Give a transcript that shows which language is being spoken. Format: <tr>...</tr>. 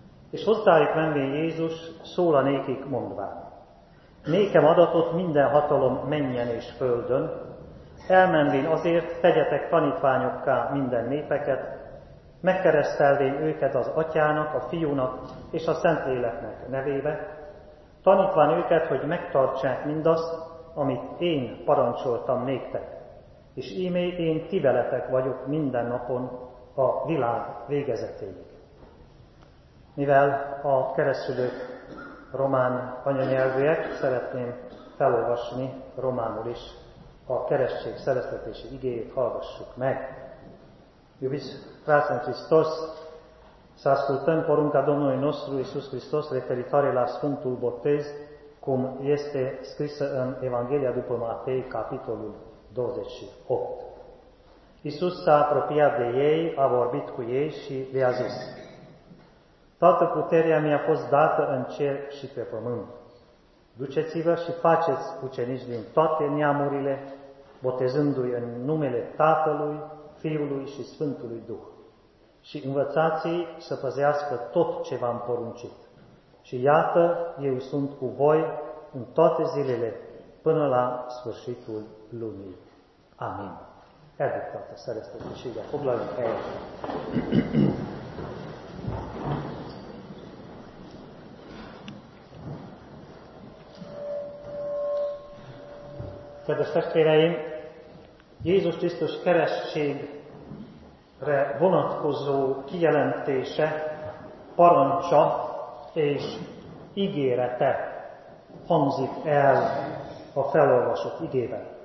<hu>És hozzájuk menvén Jézus, szóla nékik mondván: nékem adatot minden hatalom mennyen és földön, elmenvén azért tegyetek tanítványokká minden népeket, megkeresztelvén őket az Atyának, a Fiúnak és a Szentléleknek nevébe, tanítván őket, hogy megtartsák mindazt, amit én parancsoltam néktek, és ímé én ti veletek vagyok minden napon a világ végezetéig. Mivel a keresztülők román anyanyelvűek, szeretném felolvasni románul is a keresztség szereztetési igéjét, hallgassuk meg.</hu> <ro>Iubis fratem Christos, s-ascultăm porunca Domnului nostru Iisus Hristos referitoare la Sfântul Botez, cum este scrisă în Evanghelia după Matei, capitolul 28. Iisus s-a apropiat de ei, a vorbit cu ei și le-a zis: toată puterea mi-a fost dată în cer și pe pământ. Duceți-vă și faceți ucenici din toate neamurile, botezându-i în numele Tatălui, Fiului și Sfântului Duh. Și învățați-i să păzească tot ce v-am poruncit. Și iată, eu sunt cu voi în toate zilele, până la sfârșitul lumii. Amin.</ro> <hu>Erdik tata, szeresztek is ide, foglaljunk helyet. Kedves testvéreim, Jézus Krisztus keresztségre vonatkozó kijelentése, parancsa és ígérete hangzik el a felolvasott igében.</hu>